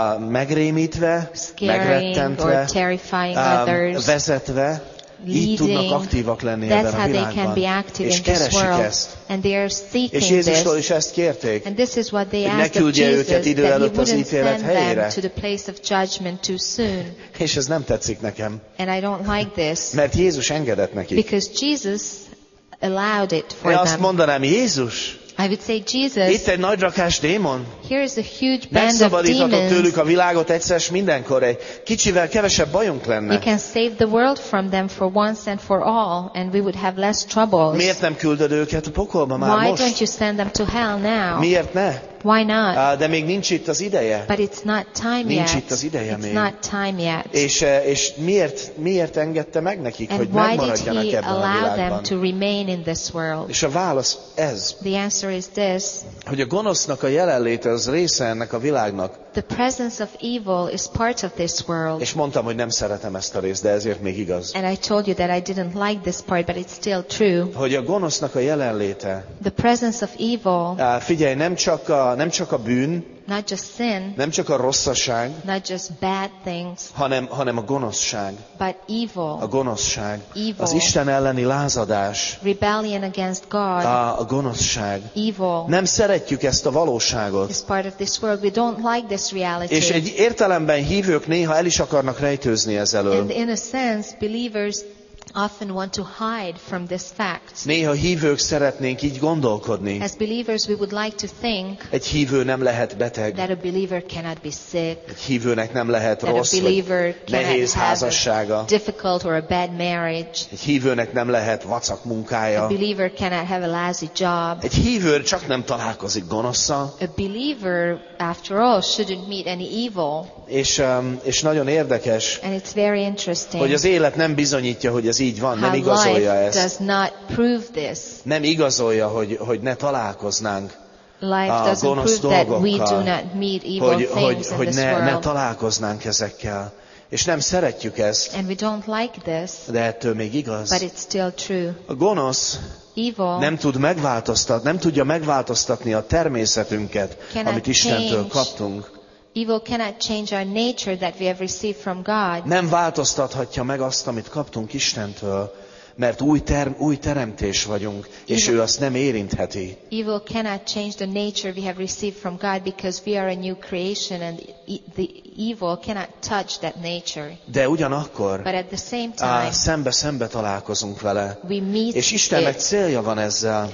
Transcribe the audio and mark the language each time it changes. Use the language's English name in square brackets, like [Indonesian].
[Hungarian] megrémítve, megrettentve, vezetve, [English] leading, [Hungarian] így tudnak aktívak lenni ebben a világban. [English] They can be active [Hungarian] és keresik ezt. [English] And they are seeking [Hungarian] és Jézustól is ezt kérték, [English] and this is what they [Hungarian] hogy ne küldje őket idő előtt az ítélet helyére. [English] To the place of judgment too soon. [Hungarian] És ez nem tetszik nekem. [English] And I don't like this. [Hungarian] Mert Jézus engedett nekik. [English] Because Jesus allowed it for them. [Hungarian] Azt mondanám, Jézus, [English] I would say, Jesus, [Hungarian] itt egy nagy rakás démon. [English] Here is a huge band of demons. [Hungarian] Megszabadíthatod tőlük a világot egyszer s mindenkor, egy kicsivel kevesebb bajunk lenne. [English] You can save the world from them for once and for all, and we would have less troubles. [Hungarian] Miért nem küldöd őket a pokolba már [English] why [Hungarian] most? [English] Why don't you send them to hell now? [Hungarian] Miért ne? [English] Why not? [Hungarian] De még nincs itt az ideje. [English] But it's not time [Hungarian] Nincs itt az ideje [English] it's [Hungarian] még. [English] It's not time yet. [Hungarian] És miért engedte meg nekik, [English] and [Hungarian] hogy megmaradjanak ebben a világban? [English] And why did he allow them to remain in this world? [Hungarian] És a válasz ez. [English] The answer is this. [Hungarian] Hogy a gonosznak a jelenléte az része ennek a világnak. [English] The presence of evil is part of this world. [Hungarian] És mondtam, hogy nem szeretem ezt a részt, de ezért még igaz. [English] And I told you that I didn't like this part, but it's still true. [Hungarian] Hogy a gonosznak a jelenléte. [English] The presence of evil. [Hungarian] Figyelj, nem csak a bűn, [English] not just sin, [Hungarian] nem csak a rosszaság, [English] not just bad things, [Hungarian] hanem a gonoszság, [English] but evil, [Hungarian] a gonoszság, [English] evil, [Hungarian] az Isten elleni lázadás, [English] rebellion against God, [Hungarian] a gonoszság, [English] evil, [Hungarian] nem szeretjük ezt a valóságot, [English] is part of this world. We don't like this reality. [Hungarian] És egy értelemben hívők néha el is akarnak rejtőzni ezelől. [English] And in a sense, believers often want to hide from this fact. [Hungarian] Néha hívők szeretnénk így gondolkodni. [English] As believers we would like to think [Hungarian] egy hívő nem lehet beteg. [English] That a believer cannot be sick. [Hungarian] Egy hívőnek nem lehet rossz, [English] that a believer [Hungarian] nehéz házassága. [English] A difficult or a bad marriage. [Hungarian] Egy hívőnek nem lehet vacak munkája. [English] A believer cannot have a lazy job. [Hungarian] Egy hívő csak nem találkozik gonosszal. [English] A believer after all shouldn't meet any evil. [Hungarian] És nagyon érdekes. [English] And it's very interesting. [Hungarian] Hogy az élet nem bizonyítja, hogy ez így van, nem igazolja ezt. [English] Does not prove this. [Hungarian] Nem igazolja, hogy ne találkoznánk [English] life [Hungarian] a gonosz dolgokkal, hogy ne találkoznánk ezekkel. És nem szeretjük ezt. [English] And we don't like this, [Hungarian] de ettől még igaz. [English] But it's still true. [Hungarian] A gonosz [English] evil [Hungarian] nem tudja megváltoztatni a természetünket, amit Istentől kaptunk. [English] Evil cannot change our nature that we have received from God. [Hungarian] Nem változtathatja meg azt, amit kaptunk Istentől, mert új teremtés vagyunk, és evil, ő azt nem érintheti. [English] Evil cannot change the nature we have received from God because we are a new creation and the evil cannot touch that nature. [Hungarian] De ugyanakkor, [English] but at the same time, [Hungarian] szembe találkozunk vele, [English] we meet [Hungarian] és Istennek célja van ezzel.